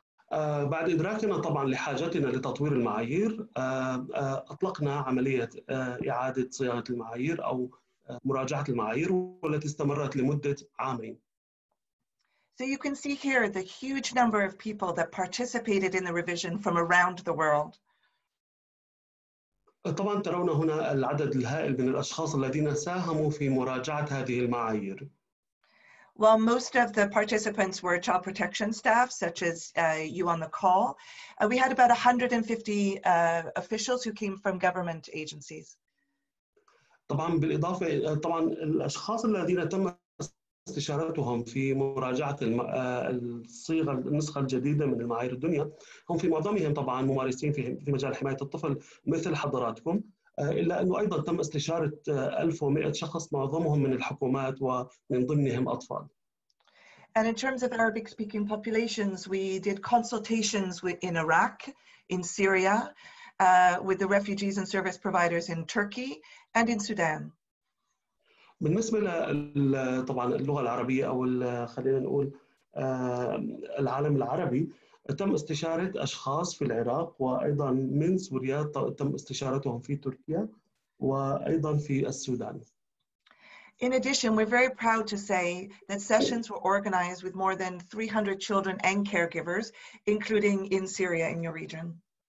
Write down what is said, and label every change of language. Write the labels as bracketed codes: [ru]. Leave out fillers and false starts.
[ar] بعد إدراكنا طبعاً لحاجتنا لتطوير المعايير, أطلقنا عملية إعادة صياغة المعايير أو مراجعة المعايير والتي استمرت لمدة عامين. [en] So you can see here the huge number of people that participated in the revision from around the world. [ar] طبعا ترون هنا العدد الهائل من الأشخاص الذين ساهموا في مراجعة هذه المعايير. [en] Well, most of the participants were child protection staff, such as you on the call. We had about 150 officials who came from government agencies. [ar] طبعا بالإضافة طبعا الأشخاص الذين تم استشارتهم في مراجعة الصيغة النسخة الجديدة من المعايير الدنيا هم في معظمهم طبعا ممارسين في مجال حماية الطفل مثل حضراتكم إلا أنه أيضا تم استشارة 1,100 شخص معظمهم من الحكومات ومن ضمنهم أطفال. [en] And in terms of Arabic speaking populations, we did consultations in Iraq, in Syria, with the refugees and service providers in Turkey and in Sudan. [ar] بالنسبة طبعا اللغة العربية أو خلينا نقول العالم العربي تم استشارة أشخاص في العراق وأيضا من سوريا تم استشارتهم في تركيا وأيضا في السودان. [en] In addition, we're very proud to say that sessions were organized with more than 300 children and caregivers, including in Syria in your region.